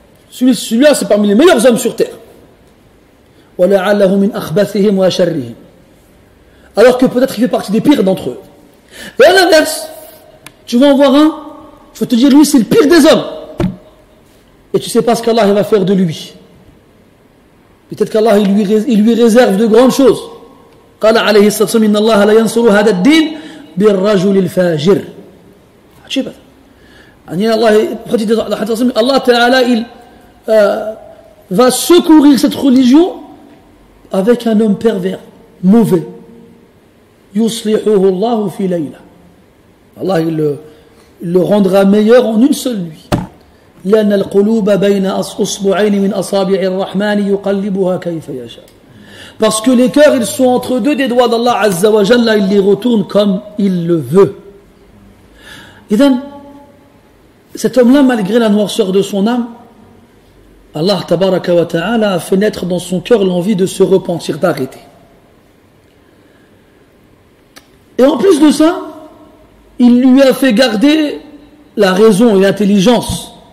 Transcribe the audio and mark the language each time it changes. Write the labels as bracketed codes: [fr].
[fr] Celui-là, c'est parmi les meilleurs hommes sur terre. [ar] Wa la'allahu min akhbathihim wa sharrihim. [fr] Alors que peut-être il fait partie des pires d'entre eux. Et à l'inverse, tu vas en voir un, tu vas te dire, lui, c'est le pire des hommes. Et tu sais pas ce qu'Allah va faire de lui. Peut-être qu'Allah il lui réserve de grandes choses. [ar] قال عليه الصلاة والسلام إن الله لا ينصر هذا الدين بالرجل الفاجر. عجيب. يعني [fr] الله Allah Ta'ala va secourir cette religion avec un homme pervers, mauvais. [ar] يصلحه الله في ليلة. [fr] Allah il le rendra meilleur en une seule nuit. [ar] لأن القلوب بين أصبعين من أصابع الرحمن يقلبها كيف يشاء. [fr] Parce que les cœurs, ils sont entre deux des doigts d'Allah Azza wa Jalla, il les retourne comme il le veut. [ar] إذن [fr] cet homme-là, malgré la noirceur de son âme, Allah تبارك وتعالى a fait naître dans son cœur l'envie de se repentir, d'arrêter. Et en plus de ça, il lui a fait garder la raison et l'intelligence.